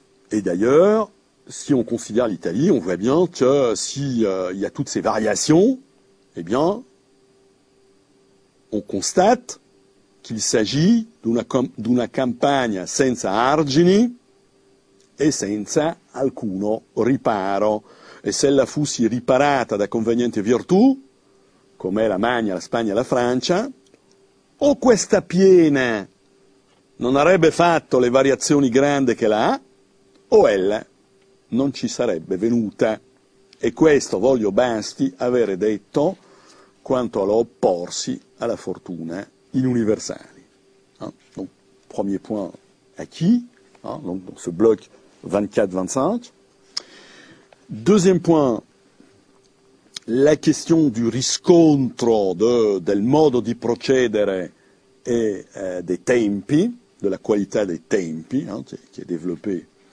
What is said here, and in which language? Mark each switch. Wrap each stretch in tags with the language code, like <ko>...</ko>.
<fr>Et d'ailleurs, si on considère l'Italie, on voit bien que s'il y a toutes ces variations, eh bien, on constate qu'il s'agit d'una campagne</fr> <it>senza argini e senza alcuno riparo. E se la fusse riparata da conveniente virtù, come la Magna, la Spagna e la Francia, o questa piena non avrebbe fatto le variazioni grandi che la ha, o ella non ci sarebbe venuta. E questo voglio basti avere detto quanto all'opporsi alla fortuna in universali.</it> <fr>Donc, premier point acquis, donc dans ce bloc 24-25. Deuxième point, la question du</fr> <it>riscontro del modo di procedere</it> <fr>et des tempi, de la qualité des tempi, qui est développée.</fr>